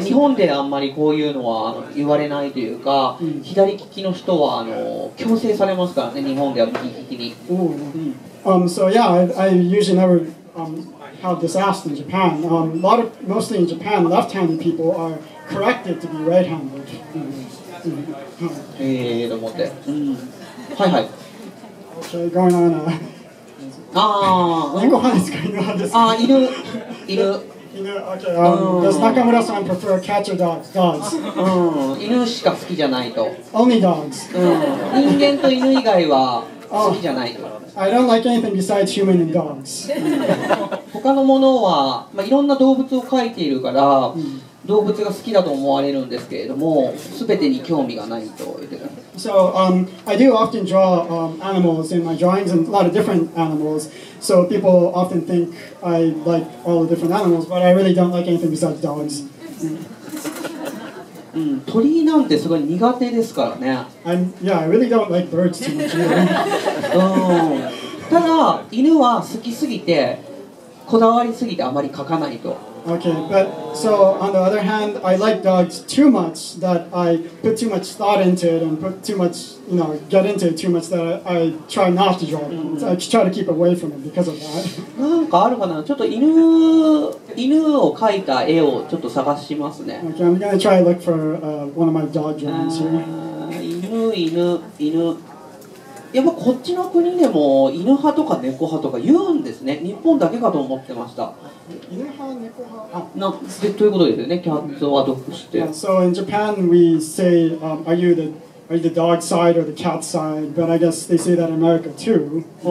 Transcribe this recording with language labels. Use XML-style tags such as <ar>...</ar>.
<ja>日本であんまりこういうのは言われないというか、うん、左利きの人は強制されますからね、日本では右利きに。</ja> <en>So yeah, I usually never have this asked in Japan. Mostly in Japan, left-handed people are corrected to be right-handed.</en> <ja>と思って。はいはい。</ja> <en>Okay, going on. ああ、</en> <ja>猫派ですか、犬派ですか。ああ、犬、犬。</ja> <en>Does Nakamura san prefer cats or dogs?</en> <ja>犬しか好きじゃないと。</ja> <en>Only dogs.</en> <ja>人間と犬以外は好きじゃないと。</ja> <en>I don't like anything besides human and dogs.</en> <ja>他のものは、まあ、いろんな動物を描いているから、動物が好きだと思われるんですけれども、すべてに興味がないと言ってる。</ja> <en>So, I do often draw animals in my drawings and a lot of different animals. So, people often think I like all the different animals, but I really don't like anything besides dogs.</en> <ja>鳥なんてすごい苦手ですからね。</ja> <en>I really don't like birds too much.</en> <ja>ただ、犬は好きすぎて、こだわりすぎてあまり描かないと。</ja> <en>Okay, but so on the other hand, I like dogs too much that I put too much thought into it and put too much, you know, get into it too much that I try not to draw them. So I try to keep away from it because of that.</en> <ja>なんかあるかな。ちょっと犬を描いた絵をちょっと探しますね。</ja> <en>Okay, I'm gonna try to look for one of my dog drawings here.</en> <ja>犬。やっぱこっちの国でも犬派とか猫派とか言うんですね。日本だけかと思ってました。犬派、猫派なでということですよね。キャッツはドッグして。</ja> <en>Yeah, so in Japan we say, are you the dog side or the cat side? But I guess they say that in America too.</en>